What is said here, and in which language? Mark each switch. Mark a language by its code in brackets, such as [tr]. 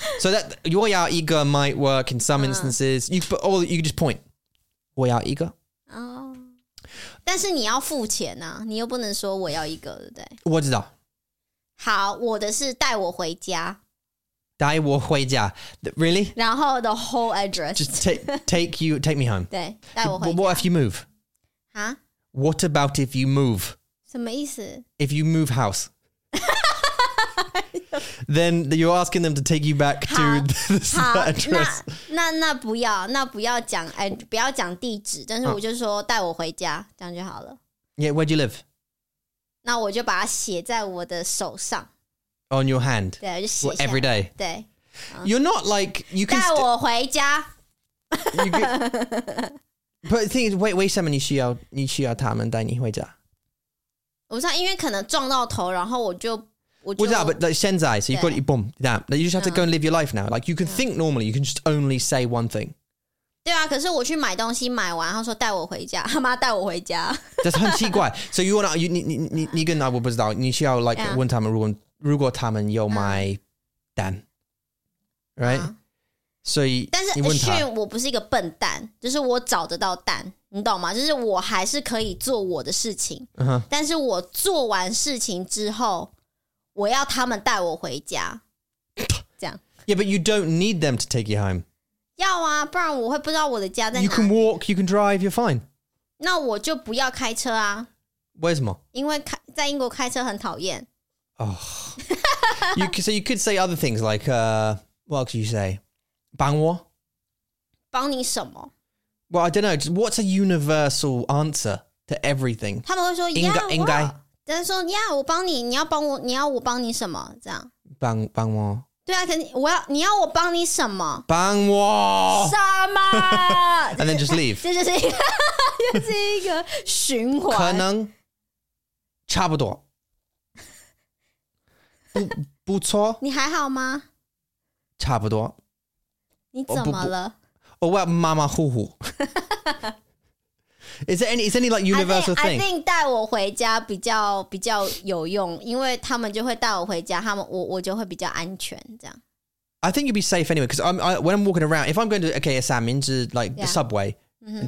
[en] So that [zh] 我要一个 [en] might work in some instances. You just point. [zh] 我要一个。但是你要付钱啊,你又不能说我要一个,对不对? 我知道。好,我的是带我回家。带我回家 [en] Really? [zh] 然后 [en] the whole address Just take me home [zh] 对带我回家 [en] What if you move? Huh? What about if you move? [zh] 什么意思 [en] If you move house Then you're asking them to take you back to this address [zh] 那不要那不要讲、哎、不要讲地址但是我就说带我回家、oh. 这样就好了 [en] Yeah, where do you live? [zh] 那我就把它写在我的手上 [en] On your hand. Well, every day. [zh] 对, [en] You're not like, you can [zh] 带我回家。 [en] But the thing is, [zh] 为什么你需要他们带你回家? 我不知道,因为可能撞到头,然后我就 [en] What's that, but like [zh] 现在, [en] so you've got, boom, that. You just have to go and live your life now. Like, you can think normally, you can just only say one thing. [zh] 对啊,可是我去买东西买完,他说带我回家,他妈带我回家。 [en] That's [zh] 很奇怪。 [en] So you wanna, you [zh] 跟他,我不知道,你需要 like, 问他们如果如果他们有买单、right? 所以但是因为我不是一个笨蛋就是我找得到蛋你懂吗就是我还是可以做我的事情、uh-huh. 但是我做完事情之后我要他们带我回家这样 [en] Yeah, but you don't need them to take you home [zh] 要啊不然我会不知道我的家在哪 [en] You can walk, you can drive, you're fine [zh] 那我就不要开车啊为什么因为在英国开车很讨厌 [en] Oh, you could say other things like, what could you say? [zh] 帮我? 帮你什么? [en] Well, I don't know. What's a universal answer to everything? [zh] 他们会说, 应该, 应该。但是说, yeah, 我帮你, 你要帮我, 你要我帮你什么? 这样。帮, 帮我。对啊, 可是我要, 你要我帮你什么? 帮我。什么? [en] And then just leave. [zh] 这就是一个, 就是一个循环。可能差不多。不错你还好吗差不多你怎么了 [en] Oh, well, [zh] 妈妈呼呼 [en] is there any like universal thing? I think [zh] 带我回家比较有用因为他们就会带我回家他们 我就会比较安全这样 [en] I think you'd be safe anyway because when I'm walking around if I'm going to okay, a sandwich like the subway、yeah.